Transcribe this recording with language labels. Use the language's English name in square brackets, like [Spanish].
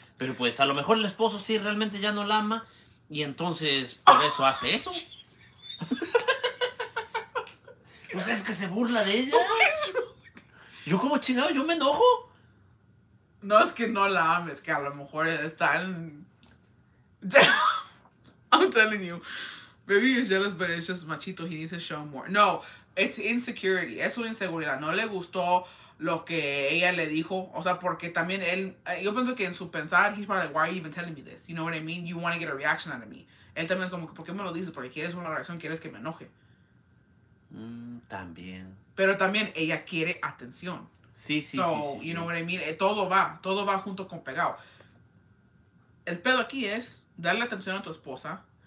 [Spanish] Pero pues a lo mejor el esposo sí realmente ya no la ama y entonces por eso hace eso. Pues es que se burla de ella. Yo como chingado, yo me enojo. No es que no la ames, que a lo mejor están. [English] I'm telling you, maybe he's jealous, but it's just machito. He needs to show more. No, It's insecurity. [Spanish] Es su inseguridad. No le gustó lo que ella le dijo. O sea, porque también él... Yo pienso que en su pensar, [English] he's probably like, why are you even telling me this? You know what I mean? You want to get a reaction out of me. [Spanish] Él también es como, ¿por qué me lo dices? Porque quieres una reacción, quieres que me enoje. También. Pero también ella quiere atención. Sí. [English] Know what I mean? [Spanish] Todo va junto con pegado. El pedo aquí es darle atención a tu esposa.